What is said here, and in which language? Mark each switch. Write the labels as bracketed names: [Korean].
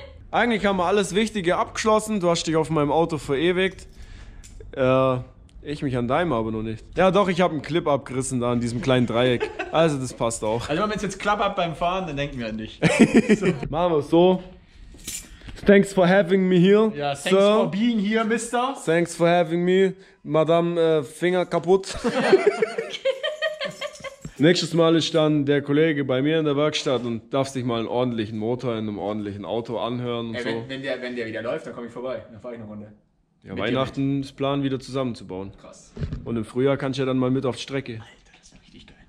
[German] Eigentlich haben wir alles Wichtige abgeschlossen. Du hast dich auf meinem Auto verewigt. Ich mich an deinem aber noch nicht. Ja doch, ich habe einen Clip abgerissen da an diesem kleinen Dreieck. Also das passt auch. Also wenn man jetzt Klapp ab beim Fahren, dann denken wir an dich. So. Machen wir es so. [English] Thanks for having me here. Ja, thanks Sir. For being here, Mister. Thanks for having me, Madame [German] Finger kaputt. Nächstes Mal ist dann der Kollege bei mir in der Werkstatt und darf sich mal einen ordentlichen Motor in einem ordentlichen Auto anhören und ey, so. Wenn der wieder läuft, dann komme ich vorbei. Dann fahre ich noch runter. Ja, mit Weihnachten ist Plan wieder zusammenzubauen. Krass. Und im Frühjahr kannst du ja dann mal mit auf die Strecke. Alter, das ist richtig geil.